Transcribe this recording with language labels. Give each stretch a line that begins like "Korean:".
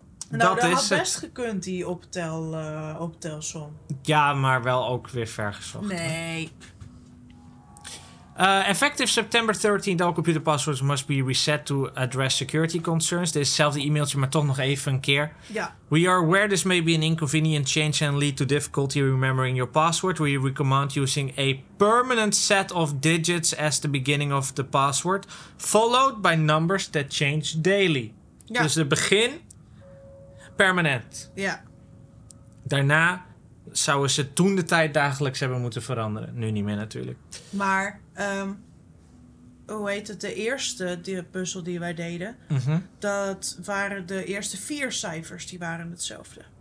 Dutch: Nou, dat is had best gekund, die optelsom. Ja, maar wel ook weer vergezocht. Nee.
English: Effective September 13th, all computer passwords must be reset to address security concerns.
Dutch: Dit is hetzelfde e-mailtje, maar toch nog even een keer. Ja.
English: We are aware this may be an inconvenient change and lead to difficulty remembering your password. We recommend using a permanent set of digits as the beginning of the password, followed by numbers that change daily.
Dutch: Ja. Dus het begin... Permanent. Ja. Daarna zouden ze toen de tijd dagelijks hebben moeten veranderen. Nu niet meer natuurlijk. Maar, hoe heet het? De eerste puzzel die wij deden. Mm-hmm. Dat waren de eerste 4 cijfers. Die waren hetzelfde.